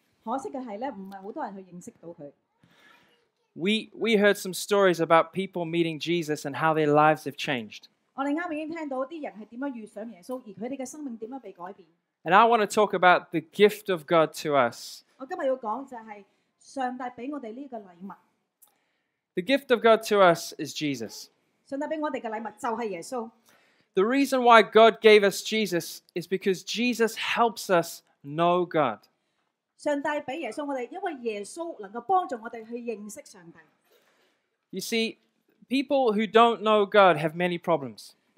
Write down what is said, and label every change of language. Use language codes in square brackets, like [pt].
[zh] 可惜的是呢,不是很多人去認識到他。We [en] heard some stories about people meeting Jesus and how their lives have changed. [zh] 我們剛剛已經聽到一些人是怎樣遇上耶穌,而他們的生命怎樣被改變。 [en] And I want to talk about the gift of God to us. [zh] 我今天要講就是上帝給我們這個禮物。 [en] The gift of God to us is Jesus. [zh] 上帝給我們的禮物就是耶穌。 [en] The reason why God gave us Jesus is because Jesus helps us know God. [zh] 上帝给耶稣我们, [en] you see, people who don't know God have many problems.